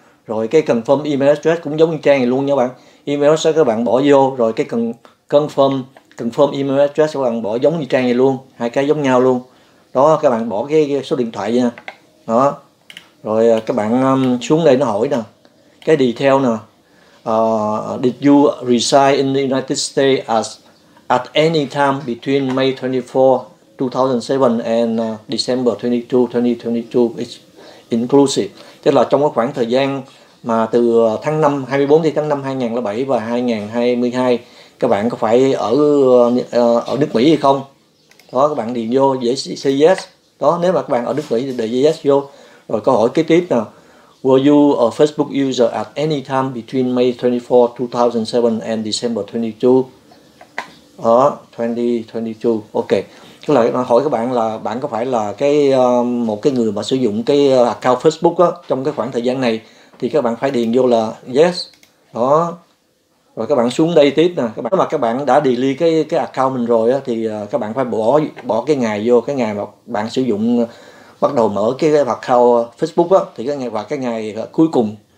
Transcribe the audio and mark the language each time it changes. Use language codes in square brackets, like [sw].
[vi] Rồi cái [en] confirm email address [vi] cũng giống như trang này luôn nha bạn. Email address các bạn bỏ vô, rồi cái confirm email address các bạn bỏ giống như trang này luôn, hai cái giống nhau luôn. Đó, các bạn bỏ cái số điện thoại nha. Đó. Rồi các bạn xuống đây nó hỏi nè. Cái detail nè. [en] Did you reside in the United States at any time between May 24, 2007 and December 22, 2022 is inclusive. [vi] Tức là trong cái khoảng thời gian mà từ tháng 5 24 đi tháng 5 2007 và 2022, các bạn có phải ở ở nước Mỹ hay không? Đó, các bạn điền vô dễ say yes. Đó, nếu mà các bạn ở nước Mỹ thì để yes vô. Rồi câu hỏi kế tiếp nè. [en] Were you a Facebook user at any time between May 24, 2007 and December 22? [vi] Đó, 2022. Ok. Tức là nó hỏi các bạn là bạn có phải là cái một cái người mà sử dụng cái account Facebook á trong cái khoảng thời gian này, thì các bạn phải điền vô là yes. Đó. Rồi các bạn xuống đây tiếp nè, các bạn mà các bạn đã delete cái account mình rồi á, thì các bạn phải bỏ bỏ cái ngày vô, cái ngày mà bạn sử dụng bắt đầu mở cái account Facebook á, thì cái ngày và cái ngày cuối cùng.